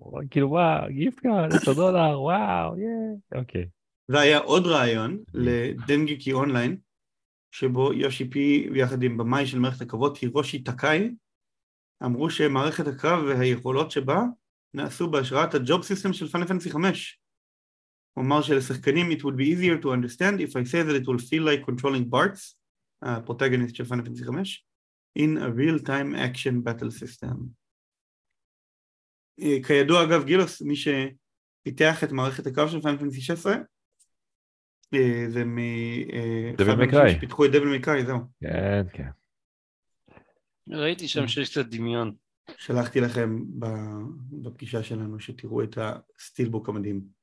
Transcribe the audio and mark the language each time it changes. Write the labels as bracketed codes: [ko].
[he] כאילו וואו, גיפט קארד, $10, וואו, ייי! אוקיי. והיה עוד רעיון לדנגיקי אונליין, שבו יושי פי ויחד עם במאי של מערכת הקרבות הירושי טקאי, אמרו שמערכת הקרב והיכולות שבה נעשו בהשראת הג'וב סיסטם של פאנל פנטסי 5. הוא אמר שלשחקנים, [en] it would be easier to understand if I say that it will feel like controlling Bartz, [he] הפרוטגוניסט של פאנל פנטסי 5, [en] in a real-time action battle system. [he] כידוע אגב גילוס, מי שפיתח את מערכת הקרב של פאנל פנטסי 16, זה דבל מקראי. שפיתחו את דבל מקראי, זהו. כן, כן. ראיתי שם שיש קצת דמיון. שלחתי לכם בפגישה שלנו שתראו את הסטילבוק המדהים.